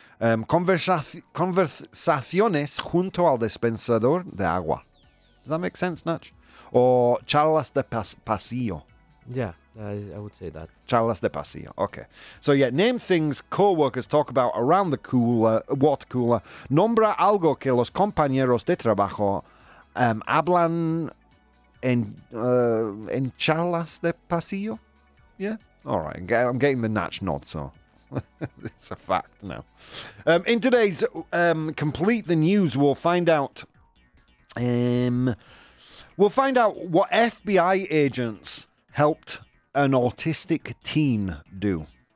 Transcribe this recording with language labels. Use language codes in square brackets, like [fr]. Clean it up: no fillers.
[es] Conversaciones junto al dispensador de agua. [en] Does that make sense, Natch? [es] Or charlas de pasillo. [en] Yeah, I would say that. [es] Charlas de pasillo, okay. [en] So yeah, name things co-workers talk about around the cooler, water cooler. [es] Nombra algo que los compañeros de trabajo hablan en charlas de pasillo. [en] Yeah, all right, I'm getting the Natch nod, so... It's a fact now. In today's Complete the News, we'll find out what FBI agents helped an autistic teen do.